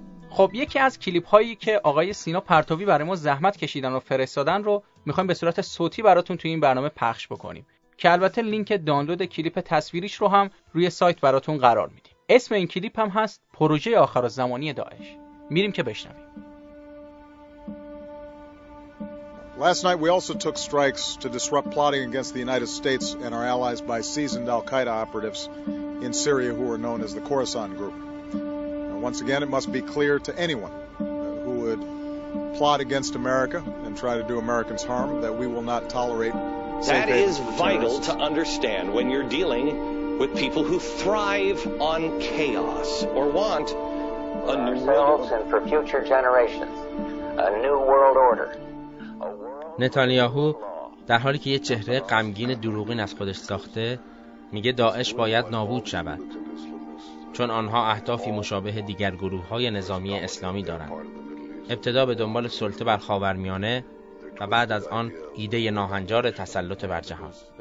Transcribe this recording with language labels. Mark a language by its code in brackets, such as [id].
[fa] خب یکی از کلیپ هایی که آقای سینا پرتوی برای ما زحمت کشیدن و فرستادن رو میخوایم به صورت صوتی براتون توی این برنامه پخش بکنیم. که البته لینک دانلود کلیپ تصویریش رو هم روی سایت براتون قرار میدیم. اسم این کلیپ هم هست پروژه آخرالزمانی داعش. میریم که بشنویم. [en] Last night we also took strikes to disrupt plotting against the United States and our allies by seasoned al-Qaeda operatives in Syria who are known as the Khorasan Group. And once again it must be clear to anyone who would plot against America and try to do Americans harm that we will not tolerate That is vital to understand when you're dealing with people who thrive on chaos or want a new world and for future generations a new world order. [fa] نتانیاهو در حالی که یه چهره غمگین دروغین از خودش ساخته میگه داعش باید نابود شود چون آنها اهدافی مشابه دیگر گروه‌های نظامی اسلامی دارند. ابتدا به دنبال سلطه بر خاورمیانه و بعد از آن ایده ناهنجار تسلط بر جهان.